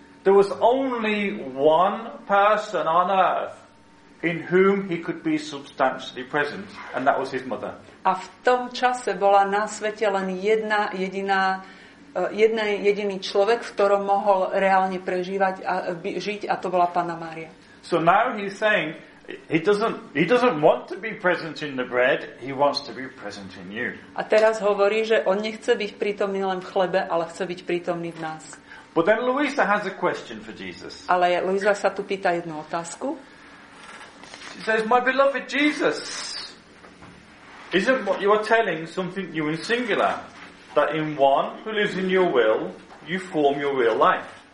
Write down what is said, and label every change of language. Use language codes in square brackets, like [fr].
[en] There was only one person on earth in whom he could be substantially present, and that was his mother. [sk] A v tom čase bola na svete len jediný človek, v ktorom mohol reálne prežívať a žiť, a to bola Panna Mária. [en] So now he's saying he doesn't want to be present in the bread, he wants to be present in you. [sk] A teraz hovorí, že on nechce byť prítomný len v chlebe, ale chce byť prítomný v nás. [en] But then Louisa has a question for Jesus. [sk] Ale Louisa sa tu pýta jednu otázku. [en] She says, my beloved Jesus, isn't what you are telling something new and singular? That in one who lives in your will, you form your real life.